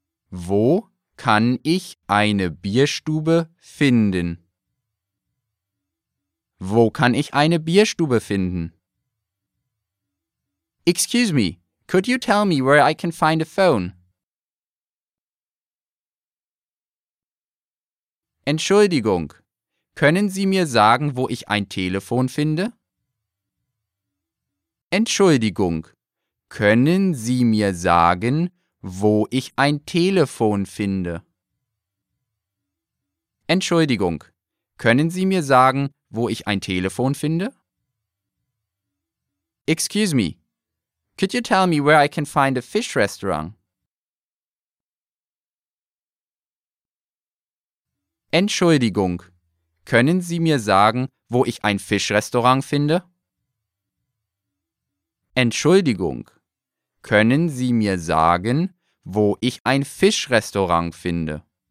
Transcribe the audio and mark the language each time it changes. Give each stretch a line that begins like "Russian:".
German: Wo kann ich eine Bierstube finden? Wo kann ich eine Bierstube finden?
English: Excuse me, could you tell me where I can find a phone?
German: Entschuldigung, können Sie mir sagen, wo ich ein Telefon finde? Entschuldigung, können Sie mir sagen, wo ich ein Telefon finde? Entschuldigung, können Sie mir sagen, wo ich ein Telefon finde?
English: Excuse me, could you tell me where I can find a fish restaurant?
German: Entschuldigung, können Sie mir sagen, wo ich ein Fischrestaurant finde? Entschuldigung, können Sie mir sagen, wo ich ein Fischrestaurant finde?